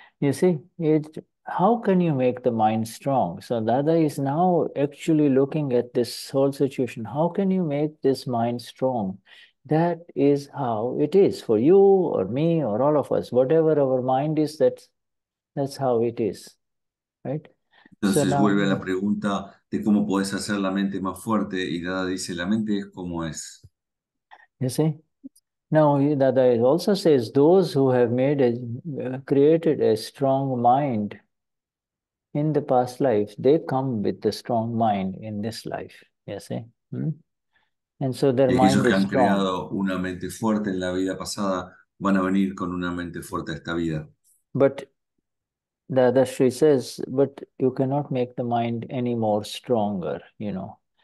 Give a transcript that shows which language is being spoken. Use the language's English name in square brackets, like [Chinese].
[English] You see, how can you make the mind strong? So Dada is now actually looking at this whole situation. How can you make this mind strong? That is how it is for you or me or all of us. Whatever our mind is, that's how it is. Right? [Spanish] Entonces [English] so now, [Spanish] vuelve a la pregunta de cómo puedes hacer la mente más fuerte, y Dada dice, la mente es como es. [English] You see? Now, Dada also says, those who have created a strong mind in the past life, they come with the strong mind in this life. You see? And so their mind is strong. [Spanish] Y ellos que han creado una mente fuerte en la vida pasada van a venir con una mente fuerte a esta vida. [English] But Dada Shri says, but you cannot make the mind any more stronger, you know.